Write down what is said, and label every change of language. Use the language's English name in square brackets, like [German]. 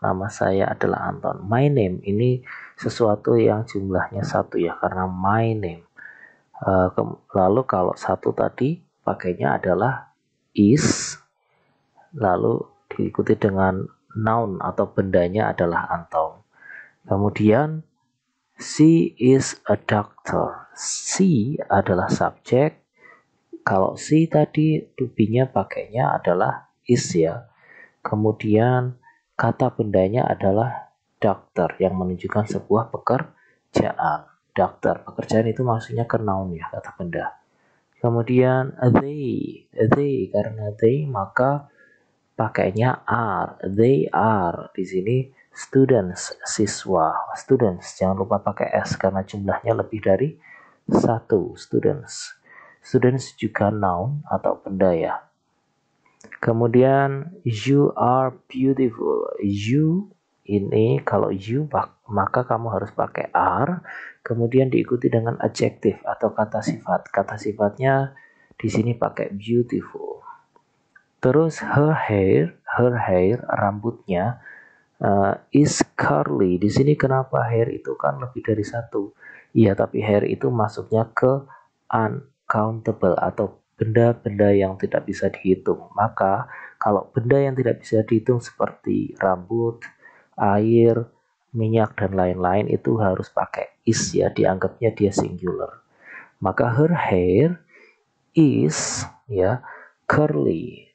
[Indonesian] Nama saya adalah Anton. My name ini sesuatu yang jumlahnya satu ya, karena my name. Lalu kalau satu tadi pakainya adalah is, lalu diikuti dengan noun atau bendanya adalah Anton. [English] Kemudian she is a doctor. [Indonesian] She adalah subjek. Kalau she tadi to be-nya pakainya adalah is ya. Kemudian kata bendanya adalah doctor yang menunjukkan sebuah pekerjaan. Doctor, pekerjaan itu maksudnya ke noun ya, kata benda. Kemudian they karena they maka pakainya are. They are di sini students, siswa. Students, jangan lupa pakai S karena jumlahnya lebih dari satu. Students juga noun atau benda ya. [English] Kemudian you are beautiful. [Indonesian] You ini kalau you maka kamu harus pakai are, kemudian diikuti dengan adjective atau kata sifat. Kata sifatnya di sini pakai beautiful. [English] Terus her hair rambutnya is curly. [Indonesian] Di sini kenapa hair itu kan lebih dari satu? Iya, tapi hair itu masuknya ke uncountable atau benda-benda yang tidak bisa dihitung. Maka kalau benda yang tidak bisa dihitung seperti rambut, air, minyak dan lain-lain itu harus pakai is ya, dianggapnya dia singular. [English] Maka her hair is ya curly.